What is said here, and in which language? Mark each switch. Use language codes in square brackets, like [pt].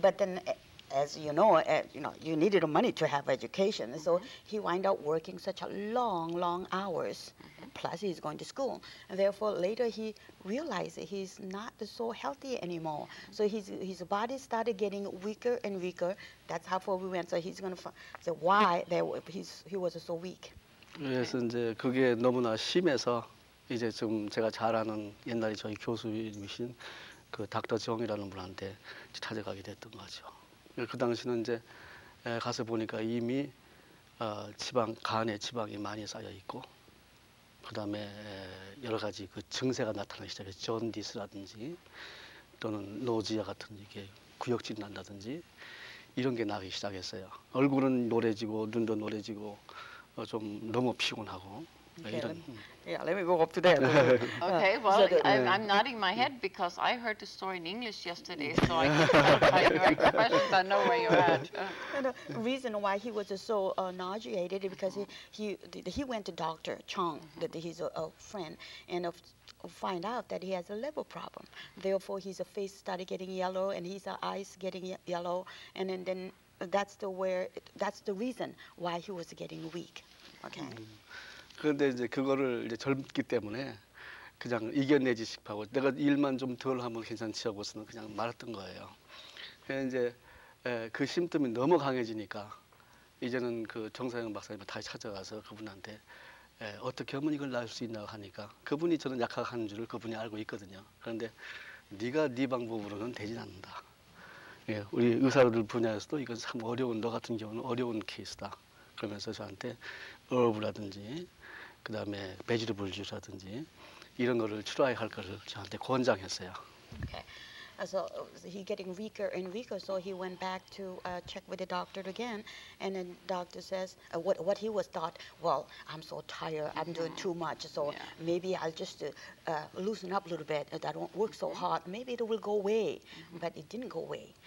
[en] But then, as you know, you needed money to have education. Mm-hmm. So he wind up working such a long, long hours. Mm-hmm. Plus, he's going to school. And therefore, later he realized he's not so healthy anymore. Mm-hmm. So his body started getting weaker and weaker. That's how far we went. So he's going to say why he was so weak. Okay. [ko] 그래서 이제 그게 너무나 심해서 이제 지금 제가 잘 아는 옛날에 저희 교수님이신 그 닥터 정이라는 분한테 찾아가게 됐던 거죠. 그 당시는 이제 가서 보니까 이미 간에 지방이 많이 쌓여 있고 그다음에 여러 가지 그 증세가 나타나기 시작했죠. 존디스라든지 또는 노지아 같은 이게 구역질 난다든지 이런 게 나기 시작했어요. 얼굴은 노래지고 눈도 노래지고 좀 너무 피곤하고 [en] Okay. Yeah, let me go up to there. Okay, well, I'm nodding my head because I heard the story in English yesterday, so I can't find your questions. I know where you're at. And the reason why he was so nauseated is because he went to Dr. Chung, he's a friend, and find out that he has a liver problem. Therefore, his face started getting yellow, and his eyes getting yellow, and then that's the reason why he was getting weak. Okay. Mm-hmm. [ko] 그런데 이제 그거를 이제 젊기 때문에 그냥 이겨내지 싶하고 내가 일만 좀 덜 하면 괜찮지 하고서는 그냥 말았던 거예요. 그래서 이제 그 심ptom이 너무 강해지니까 이제는 그 정사영 박사님을 다시 찾아가서 그분한테 어떻게 하면 이걸 낳을 수 있나 하니까 그분이 저는 약학하는 줄을 그분이 알고 있거든요. 그런데 네가 네 방법으로는 되진 않는다. 예, 우리 의사들 분야에서도 이건 참 어려운 너 같은 경우는 어려운 케이스다. 그러면서 저한테 어브라든지 그 다음에 베지터블 주스라든지 이런 거를 트라이 할 거를 저한테 권장했어요. [en] Okay. So he getting weaker and weaker, so he went back to check with the doctor again, and then doctor says what he was thought. Well, I'm so tired. I'm doing too much. So maybe I'll just loosen up a little bit. I don't work so hard. Maybe it will go away. But it didn't go away.